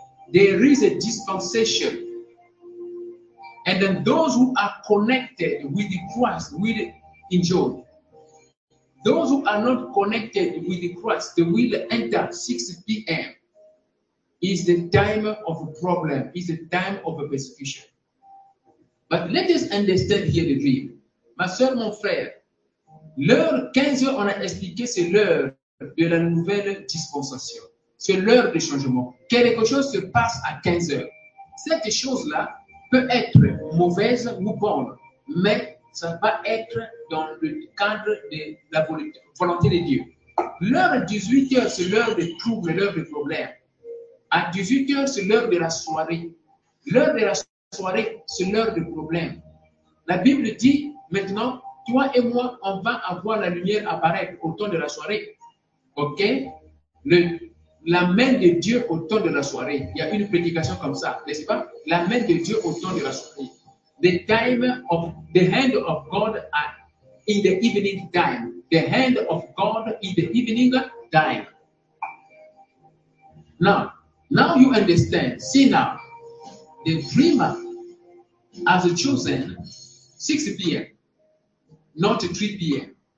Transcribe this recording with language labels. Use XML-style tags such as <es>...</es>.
<en>There is a dispensation. And then those who are connected with Christ will enjoy. Those who are not connected with Christ, they will enter 6 p.m. is the time of a problem, is the time of a persecution. But let us understand here the dream.</en> <fr>Ma soeur, mon frère, l'heure 15h, on a expliqué, c'est l'heure de la nouvelle dispensation. C'est l'heure du changement. Quelque chose se passe à 15h. Cette chose-là peut être mauvaise ou bonne, mais ça va être dans le cadre de la volonté de Dieu. L'heure 18h, c'est l'heure des troubles, l'heure des problèmes. À 18h, c'est l'heure de la soirée. L'heure de la soirée, c'est l'heure des problèmes. La Bible dit, maintenant, toi et moi, on va avoir la lumière apparaître au temps de la soirée. OK? Le la main de Dieu au temps de la soirée. Il y a une prédication comme ça, n'est-ce pas? La main de Dieu au temps de la soirée.</fr> <en>The time of the hand of God in the evening time. The hand of God in the evening time. Now you understand. See now, the dreamer has chosen 6 p.m., not 3 p.m.</en>